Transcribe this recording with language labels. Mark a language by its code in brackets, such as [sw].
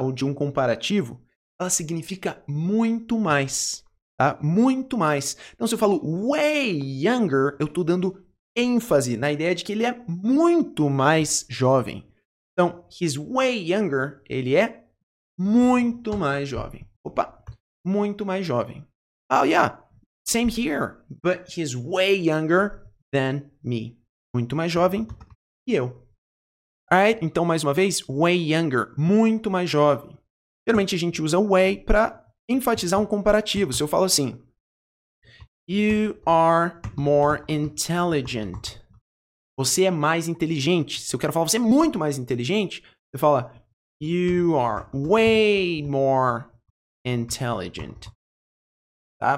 [pt] Ou de um comparativo, ela significa muito mais, tá? Muito mais. Então, se eu falo way younger, eu estou dando ênfase na ideia de que ele é muito mais jovem. Então, [en] he's way younger, [pt] ele é muito mais jovem. Opa, muito mais jovem. [en] Oh yeah, same here, but he's way younger than me. [pt] Muito mais jovem que eu. Alright, então mais uma vez, way younger, muito mais jovem. Geralmente a gente usa way para enfatizar um comparativo. Se eu falo assim, [en] you are more intelligent. [pt] Você é mais inteligente. Se eu quero falar você é muito mais inteligente, eu falo, [en] you are way more intelligent. [pt] Tá?